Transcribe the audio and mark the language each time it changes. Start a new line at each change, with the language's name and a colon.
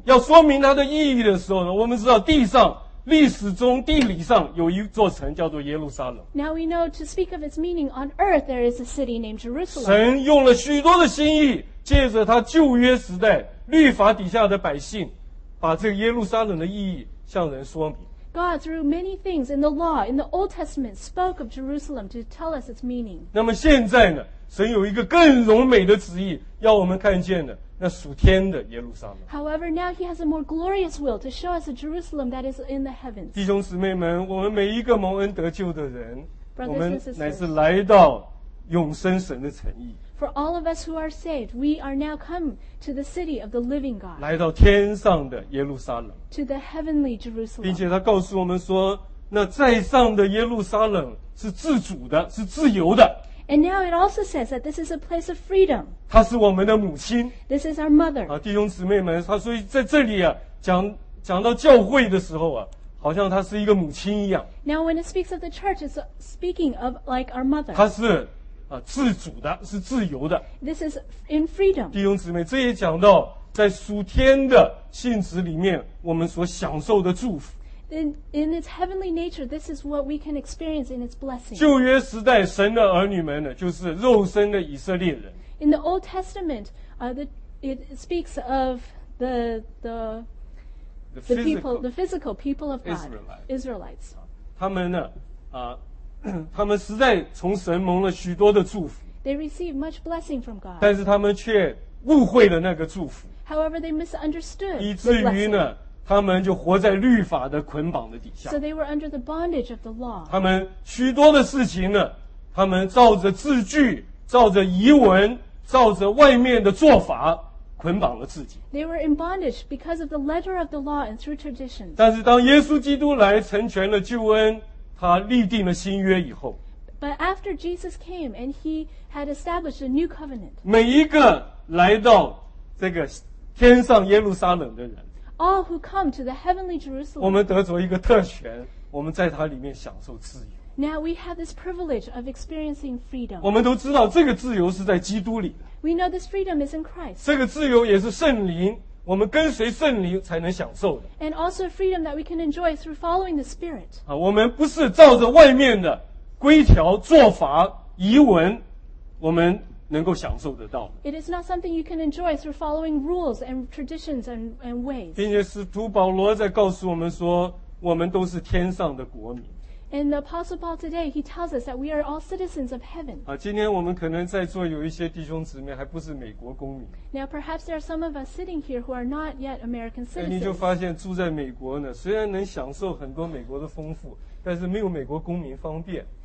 Chinese: 要说明它的意义的时候呢，我们知道地上历史中地理上有一座城叫做耶路撒冷。
English: Now we know to speak of its meaning on earth there is a city named Jerusalem.
Chinese: 神用了许多的心意，借着他旧约时代律法底下的百姓，把这个耶路撒冷的意义向人说明。
English: God through many things in the law in the Old Testament spoke of Jerusalem to tell us its meaning.
Chinese: 那么现在呢，神有一个更荣美的旨意要我们看见的，那属天的耶路撒冷。
English: However, now he has a more glorious will to show us a Jerusalem that is in the heavens.
Chinese: 弟兄姊妹们，我们每一个蒙恩得救的人，
English: Brothers,
Chinese: 我们乃是来到永生神的城邑。
English: For all of us who are saved, we are now come to the city of the living God.
Chinese: 来到天上的耶路撒冷，
English: To the heavenly Jerusalem.
Chinese: 并且他告诉我们说，那在上的耶路撒冷是自主的，是自由的。
English: And now it also says that this is a place of freedom.
Chinese: 她是我们的母亲。
English: This is our mother.
Chinese: 弟兄姊妹们，她所以在这里啊，讲到教会的时候啊，好像她是一个母亲一样。
English: Now when it speaks of the church, it's speaking of like our mother.
Chinese: 她是自主的，是自由的。
English: This is in freedom.
Chinese: 弟兄姊妹，这也讲到在属天的性质里面，我们所享受的祝福。
English: In its heavenly nature, this is what we can experience in its blessing.
Chinese: 旧约时代，神的儿女们呢，就是肉身的以色列人。
English: In the Old Testament, it speaks of the physical people of God, Israelites.
Chinese: 他们呢，他们实在从神蒙了许多的祝福。
English: They receive much blessing from God.
Chinese: 但是他们却误会了那个祝福。
English: However, they misunderstood.
Chinese: 以至于呢。他们就活在律法的捆绑的底下。
English: So they were under the bondage of the law.
Chinese: 他们许多的事情呢，他们照着字句，照着仪文，照着外面的做法，捆绑了自己。
English: They were in bondage because of the letter of the law and through traditions.
Chinese: 但是当耶稣基督来成全了救恩，他立定了新约以后。
English: But after Jesus came and he had established a new covenant.
Chinese: 每一个来到这个天上耶路撒冷的人。
English: All who come to the heavenly Jerusalem.
Chinese: 我们得着一个特权，我们在它里面享受自由。
English: Now we have this privilege of experiencing freedom.
Chinese: 我们都知道这个自由是在基督里的。
English: We know this freedom is in Christ.
Chinese: 这个自由也是圣灵，我们跟随圣灵才能享受的。
English: And also freedom that we can enjoy through following the Spirit.
Chinese: 我们不是照着外面的规条、做法、仪文，我们能够享受得到的。
English: It is not something you can enjoy through following rules and traditions and ways.
Chinese: 并且使徒保罗在告诉我们说，我们都是天上的国民。
English: And the Apostle Paul today, he tells us that we are all citizens of heaven.
Chinese: 今天我们可能在座有一些弟兄姊妹还不是美国公民。
English: Now perhaps there are some of us sitting here who are not yet American citizens.
Chinese: 你就发现住在美国呢，虽然能享受很多美国的丰富，但是没有美国公民方便。